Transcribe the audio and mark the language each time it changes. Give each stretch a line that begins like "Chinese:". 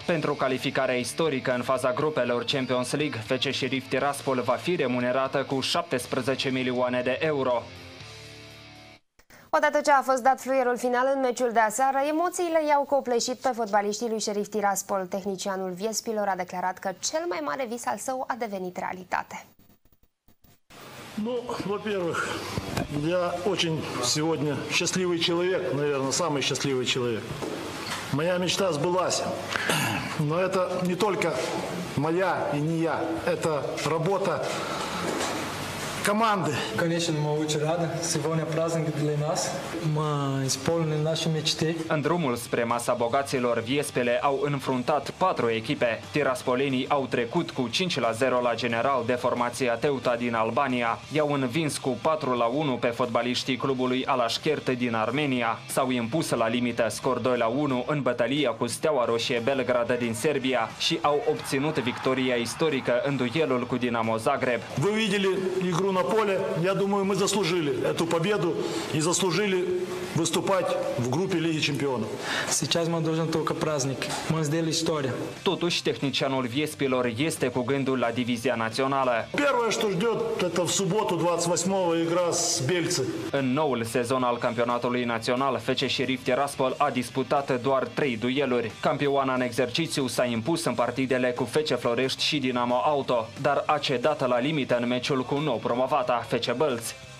Romanian: Pentru calificarea istorică în faza grupelor Champions League, FC Sheriff Tiraspol va fi remunerată cu 17 milioane de euro. Odată ce a fost dat fluierul final în meciul de aseară, emoțiile i-au copleșit pe fotbaliștii lui Sheriff Tiraspol. Tehnicianul Viespilor a declarat că cel mai mare vis al său a devenit realitate.
Russian: Ну, во-первых, я очень сегодня счастливый человек, наверное, самый счастливый человек. Моя мечта сбылась, но это не только моя и не я, это работа команды. Конечно, мы очень рады. Сегодня праздник для нас. Мы исполнили наши мечты.
Romanian: În drumul spre masa bogaților, Viespile au înfruntat 4 echipe. Tiraspolenii au trecut cu 5-0 la General de formația Teuta din Albania. I-au învins cu 4-1 pe fotbaliștii clubului Alașchert din Armenia. S-au impus la limită, scor 2-1, în bătălia cu Steaua Roșie Belgradă din Serbia și au obținut victoria istorică în duelul cu Dinamo Zagreb.
Russian: Vă vedeți игру на поле, я думаю, мы заслужили эту победу и заслужили выступать в группе Лиги Чемпионов. Сейчас мы должны только праздник. Мы сделали историю.
Romanian: Totuși, tehnicianul Виеспилор este cu gândul la дивизия națională.
Russian: Первое, что ждет, это в субботу 28-го игра с Бельцы.
Romanian: În noul sezon al campionatului național, FC Șerif Tiraspol a disputat doar 3 dueluri. Campioana în exercițiu s-a impus în partidele cu FC Florești și Dinamo Auto, dar a cedat la limită în meciul cu nou promovata FC Bălți.